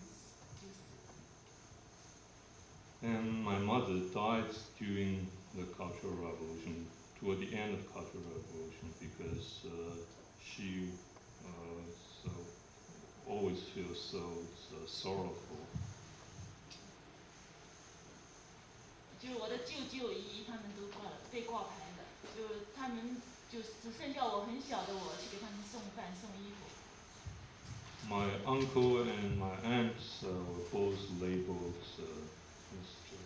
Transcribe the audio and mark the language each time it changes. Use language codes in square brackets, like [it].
[zh] 我妈妈在文革中间呢，因为她很忧愁，就后来就在文革的期间就死。 [en] And my mother died during the Cultural Revolution, toward the end of Cultural Revolution, because she so always feels so sorrowful. [zh] 就是我的舅舅姨他们都挂了，被挂牌了，就是他们就只剩下我很小的我去给他们送饭送衣服。 [en] My uncle and my aunts were both labeled Mr.